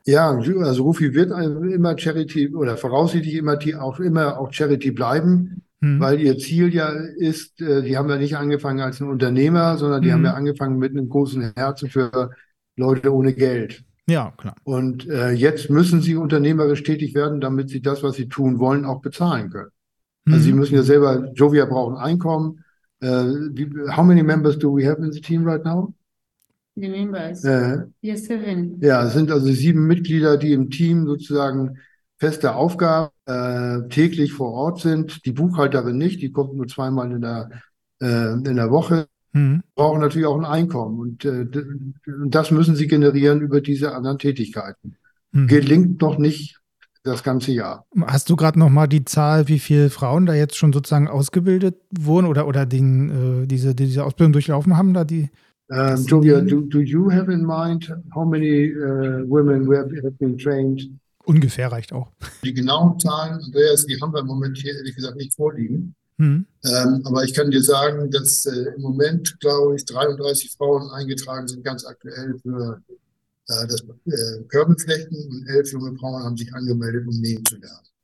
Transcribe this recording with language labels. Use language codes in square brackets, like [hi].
[de] Ja, also Rufi wird immer Charity oder voraussichtlich immer auch Charity bleiben, weil ihr Ziel ja ist, die haben ja nicht angefangen als ein Unternehmer, sondern die haben ja angefangen mit einem großen Herzen für Leute ohne Geld. Ja, klar. Und jetzt müssen sie unternehmerisch tätig werden, damit sie das, was sie tun wollen, auch bezahlen können. Also sie müssen ja selber, Jovia brauchen Einkommen. [en] How many members do we have in the team right now? The members? Yes, seven. [de] Ja, es sind also 7 Mitglieder, die im Team sozusagen feste Aufgaben täglich vor Ort sind. Die Buchhalterin nicht, die kommt nur 2-mal in der Woche. Mhm. Brauchen natürlich auch ein Einkommen. Und das müssen sie generieren über diese anderen Tätigkeiten. Mhm. Gelingt noch nicht. Das ganze Jahr. Hast du gerade noch mal die Zahl, wie viele Frauen da jetzt schon sozusagen ausgebildet wurden oder diese Ausbildung durchlaufen haben? Da die. [en] Julia, do you have in mind how many women have been trained? [de] Ungefähr reicht auch. Die genauen Zahlen, Andreas, die haben wir im Moment hier ehrlich gesagt nicht vorliegen. Mhm. Aber ich kann dir sagen, dass im Moment, glaube ich, 33 Frauen eingetragen sind, ganz aktuell für das Körbenflechten und 11 junge Frauen haben sich angemeldet, um nähen zu lernen.